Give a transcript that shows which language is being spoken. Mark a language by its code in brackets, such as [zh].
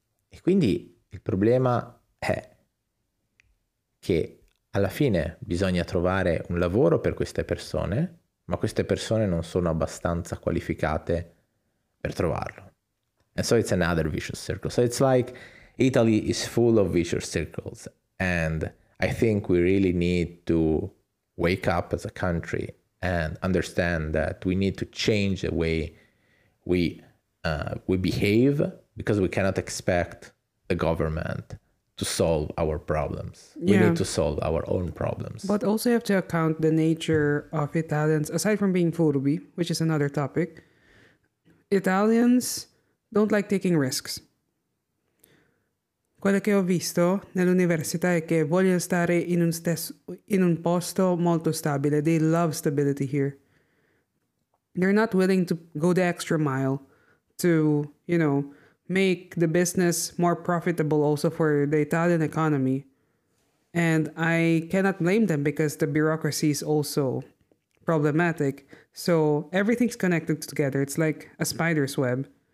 [it] E quindi il problema è che alla fine bisogna trovare un lavoro per queste persone, ma queste persone non sono abbastanza qualificate per trovarlo. [en] And so it's another vicious circle. So it's like Italy is full of vicious circles. And I think we really need to wake up as a country and understand that we need to change the way we behave, because we cannot expect the government to solve our problems. Yeah. We need to solve our own problems. But also you have to account the nature of Italians, aside from being furbi, which is another topic. Italians don't like taking risks. [it] Quello che ho visto nell'università è che vogliono stare in un posto molto stabile. [en] They love stability here. They're not willing to go the extra mile to, you know, make the business more profitable also for the Italian economy. And I cannot blame them because the bureaucracy is also problematic. So everything's connected together. It's like a spider's web.